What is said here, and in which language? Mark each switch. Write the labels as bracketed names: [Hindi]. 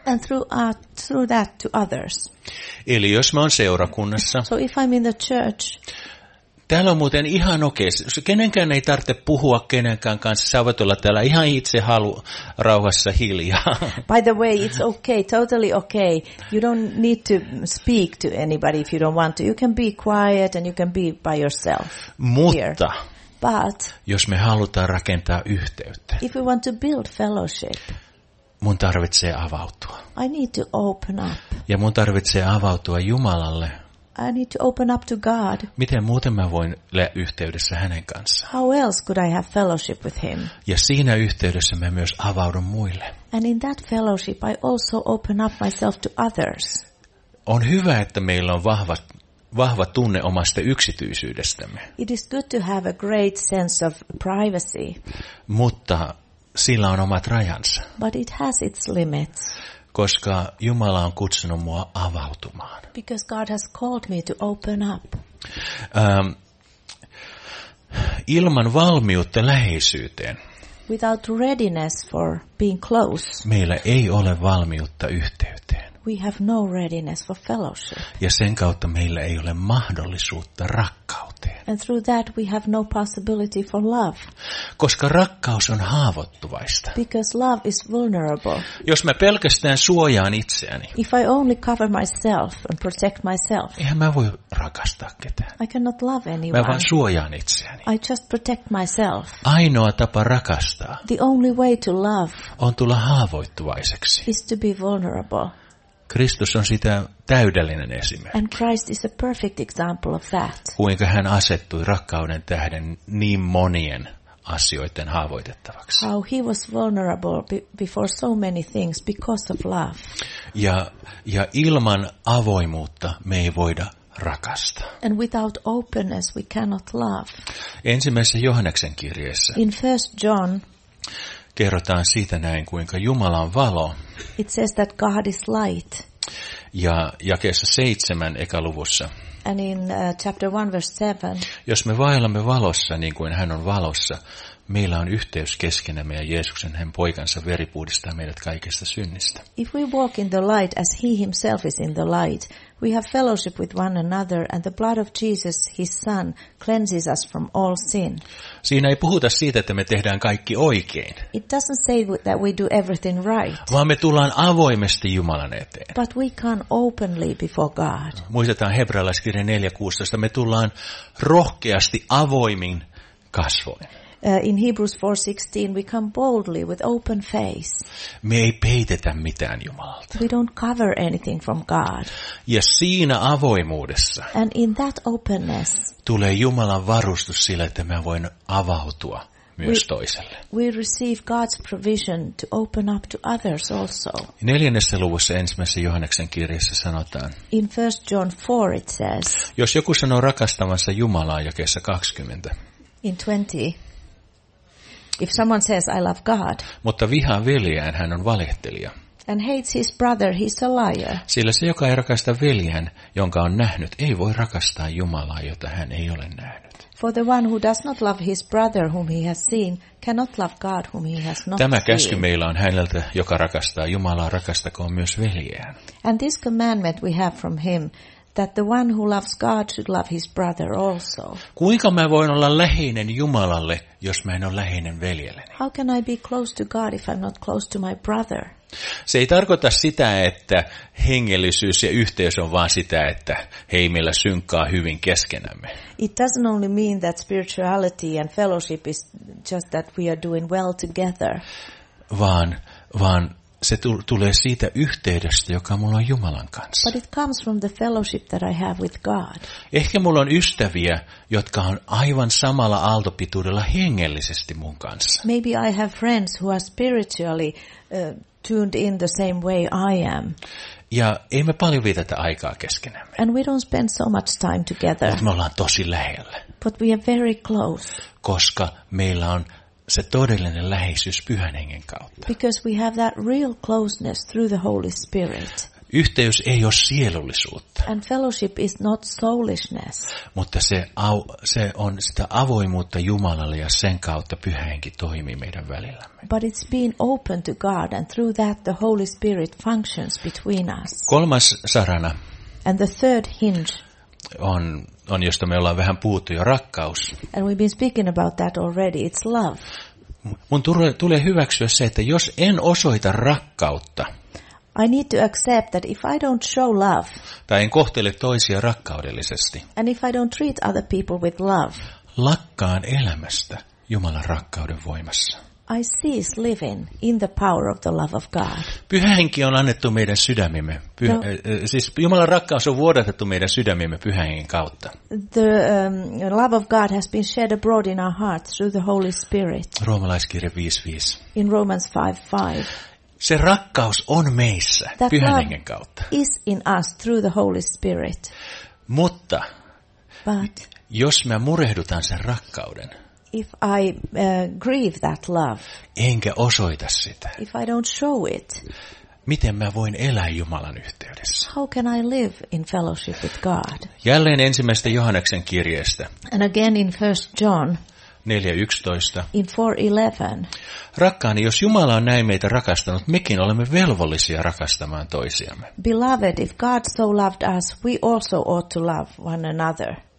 [English] And through that to others. [Finnish] Eli jos mä oon seurakunnassa. [English] So if I'm in the church. [Finnish] Täällä on muuten ihan okei. Kenenkään ei tarvitse puhua kenenkään kanssa. Sä voit olla täällä ihan itse rauhassa hiljaa. [English] By the way, it's okay, totally okay. You don't need to speak to anybody if you don't want to. You can be quiet and you can be by yourself. [Finnish] Mutta [English] but, [Finnish] jos me halutaan rakentaa yhteyttä, [English] if we want to build fellowship, [Finnish] mun tarvitsee avautua. [English] I need to open up. [Finnish] Ja mun tarvitsee avautua Jumalalle. [English] I need to open up to God. [Finnish] Miten muuten mä voin olla yhteydessä hänen kanssaan? [English] How else could I have fellowship with him? [Finnish] Ja siinä yhteydessä mä myös avaudun muille. [English] And in that fellowship I also open up myself to others. [Finnish] On hyvä, että meillä on vahva tunne omasta yksityisyydestämme. [English] It is good to have a great sense of privacy. [Finnish] Mutta sillä on omat rajansa. [English] But it has its limits. [Finnish] Koska Jumala on kutsunut mua avautumaan. [English] Because God has called me to open up. [Finnish] Ilman valmiutta läheisyyteen. [English] Without readiness for being close. [Finnish] Meillä ei ole valmiutta yhteyteen. [English] We have no readiness for fellowship. [Finnish] Ja sen kautta meillä ei ole mahdollisuutta rakkauteen. [English] And through that we have no possibility for love. [Finnish] Koska rakkaus on haavoittuvaista. [English] Because love is vulnerable. [Finnish] Jos mä pelkästään suojaan itseäni. [English] If I only cover myself and protect myself. [Finnish] Eihän mä voi rakastaa ketään. [English] I cannot love anyone. [Finnish] Mä vaan suojaan itseäni. [English] I just protect myself. [Finnish] Ainoa tapa rakastaa. [English] The only way to love. [Finnish] On tulla haavoittuvaiseksi. [English] Is to be vulnerable. [Finnish] Kristus on sitä täydellinen esimerkki. [English] And Christ is a perfect example of that. [Finnish] Kuinka hän asettui rakkauden tähden niin monien asioiden haavoitettavaksi. [English] How he was vulnerable before so many things because of love. [Finnish] Ja ilman avoimuutta me ei voida rakastaa. [English] And without openness we cannot love. [Finnish] Ensimmäisessä Johanneksen kirjeessä. [English] In First John. [Finnish] Kerrotaan siitä näin, kuinka Jumala on valo. [English] It says that God is light. [Finnish] Ja jakeessa 7 ekaluvussa. [English] And in chapter 1 verse 7. [Finnish] Jos me vaellamme valossa niin kuin hän on valossa, meillä on yhteys keskenämme ja Jeesuksen hän poikansa veri puhdistaa meidät kaikesta synnistä. [English] If we walk in the light as he himself is in the light, we have fellowship with one another and the blood of Jesus his son cleanses us from all sin. [Finnish] Siinä ei puhuta siitä, että me tehdään kaikki oikein. [English] It doesn't say that we do everything right. [Finnish] Vaan me tullaan avoimesti Jumalan eteen. [English] But we come openly before God. [Finnish] Muistetaan hebrealaiskirja 4:16, me tullaan rohkeasti avoimin kasvoin. [English] In Hebrews 4:16 we come boldly with open face. [Finnish] Me ei peitetä mitään Jumalalta. [English] We don't cover anything from God. [Finnish] Ja siinä avoimuudessa. [English] And in that openness. [Finnish] Tulee Jumalan varustus sille, että mä voin avautua myös toiselle. [English] We receive God's provision to open up to others also. [Finnish] 4. luvussa ensimmäisessä Johanneksen kirjassa sanotaan. [English] In 1 John 4 it says. [Finnish] Jos joku sanoo rakastavansa Jumalaa jakeessa 20. [English] In 20. If someone says I love God, [Finnish] mutta vihaa veljeään, hän on valehtelija. [English] And hates his brother, he's a liar. [Finnish] Sillä se, joka ei rakasta veljeään, jonka on nähnyt, ei voi rakastaa Jumalaa, jota hän ei ole nähnyt. [English] For the one who does not love his brother whom he has seen, cannot love God whom he has not seen. [Finnish] Tämä käsky meillä on häneltä, joka rakastaa Jumalaa, rakastakoon myös veljeään. [English] And this commandment we have from him, that the one who loves God should love his brother also. [Finnish] Kuinka mä voin olla läheinen Jumalalle, jos mä en ole läheinen veljelleni? [English] How can I be close to God if I'm not close to my brother? [Finnish] Se ei tarkoita sitä, että hengellisyys ja yhteys on vaan sitä, että hei, meillä synkkaa hyvin keskenämme. [English] It doesn't only mean that spirituality and fellowship is just that we are doing well together. [Finnish] Vaan se tulee siitä yhteydestä, joka mulla on Jumalan kanssa. [English] But it comes from the fellowship that I have with God. [Finnish] Ehkä mulla on ystäviä, jotka on aivan samalla aaltopituudella hengellisesti mun kanssa. [English] Maybe I have friends who are spiritually tuned in the same way I am. [Finnish] Ja ei me paljon vietetä aikaa keskenämme. [English] And we don't spend so much time together. [Finnish] Mutta me ollaan tosi lähellä. [English] But we are very close. [Finnish] Koska meillä on se todellinen läheisyys Pyhän Hengen kautta. [English] Because we have that real closeness through the Holy Spirit. [Finnish] Yhteys ei ole sielullisuutta. [English] And fellowship is not soulishness. [Finnish] Mutta se on sitä avoimuutta Jumalalle ja sen kautta Pyhä Henki toimii meidän välillämme. [English] But it's being open to God and through that the Holy Spirit functions between us. [Finnish] Kolmas sarana. [English] And the third hinge. [Finnish] On josta me ollaan vähän puhuttu jo, rakkaus. [English] And we've been speaking about that already. It's love. [Finnish] Mun tulee hyväksyä se, että jos en osoita rakkautta. [English] I need to accept that if I don't show love. [Finnish] Tai en kohtele toisia rakkaudellisesti. [English] And if I don't treat other people with love. [Finnish] Lakkaan elämästä Jumalan rakkauden voimassa. [English] I cease living in the power of the love of God. [Finnish] Pyhä Henki on annettu meidän sydämimme. Siis Jumalan rakkaus on vuodatettu meidän sydämimme Pyhän Hengen kautta. [English] The love of God has been shed abroad in our hearts through the Holy Spirit. [Finnish] Roomalaiskirje 5:5. [English] In Romans 5:5. [Finnish] Se rakkaus on meissä Pyhän Hengen kautta. [English] Is in us through the Holy Spirit. [Finnish] Mutta [English] but [Finnish] jos mä murehdutan sen rakkauden. [English] If I grieve that love. [Finnish] Enkä osoita sitä. [English] If I don't show it. [Finnish] Miten mä voin elää Jumalan yhteydessä? [English] How can I live in fellowship with God? [Finnish] Jälleen ensimmäisestä Johanneksen kirjeestä. [English] And again in 1 John. [Finnish] 4:11. [English] In 4:11. [Finnish] Rakkaani, jos Jumala on näin meitä rakastanut, mekin olemme velvollisia rakastamaan toisiamme. [English] Beloved, if God so loved us, we also ought to love one another.